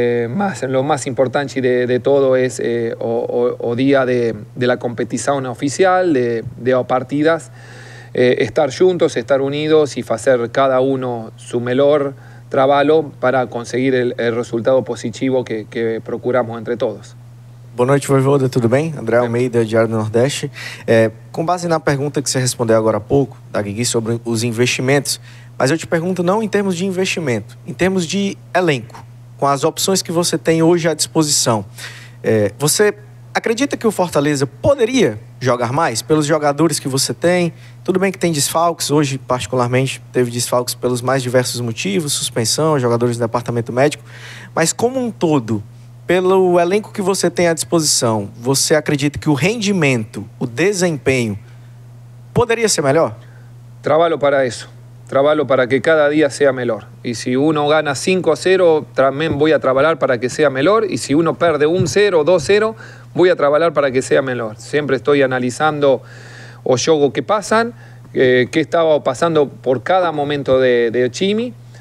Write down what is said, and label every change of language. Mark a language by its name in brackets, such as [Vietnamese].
[Spanish] Más, lo más importante de todo es o día de la competición oficial, de partidas, estar juntos, estar unidos y hacer cada uno su mejor trabajo para conseguir el resultado positivo que procuramos entre todos. [Portuguese] Boa noite, Voivoda, tudo bem? André Almeida, Diário do Nordeste. Com base na pergunta que você respondeu agora há pouco, da Guigui, sobre os investimentos, mas eu te pergunto não em termos de investimento, em termos de elenco. Com as opções que você tem hoje à disposição, você acredita que o Fortaleza poderia jogar mais pelos jogadores que você tem? Tudo bem que tem desfalques, hoje particularmente teve desfalques pelos mais diversos motivos, suspensão, jogadores do departamento médico, mas como um todo, pelo elenco que você tem à disposição, você acredita que o rendimento, o desempenho, poderia ser melhor? Trabalho para isso. Trabalho para que [Spanish] cada día sea mejor. Y si uno gana 5-0, también voy a trabajar para que sea mejor. Y si uno perde 1-0, 2-0, voy a trabajar para que sea mejor. Siempre estoy analizando o juego que pasan, qué estaba pasando por cada momento de Chimi.